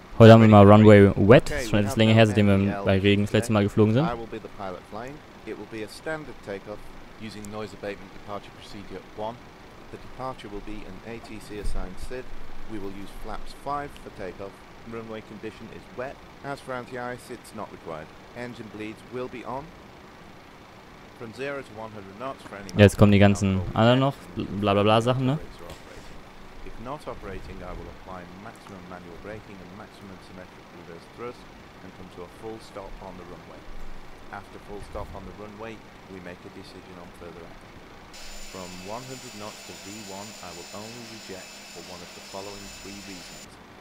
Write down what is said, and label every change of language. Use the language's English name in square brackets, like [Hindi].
[German] Heute haben wir mal Runway wet. Okay, das ist schon etwas länger her, seitdem wir bei Regen das letzte Mal geflogen sind. [English] I will be the pilot flying. It will be a standard takeoff using noise abatement departure procedure 1. The departure will be an ATC assigned SID. We will use flaps 5 for takeoff. Runway condition is wet. As for anti-ice, it's not required. Engine bleeds will be on. From 0 to 100 knots for any. [German] Jetzt kommen die ganzen anderen noch blablabla Sachen, ne? [English] If not operating, I will apply maximum manual braking and maximum symmetric reverse thrust and come to a full stop on the runway. After full stop on the runway, we make a decision on further action. From 100 knots to V1, I will only reject for one of the following three reasons.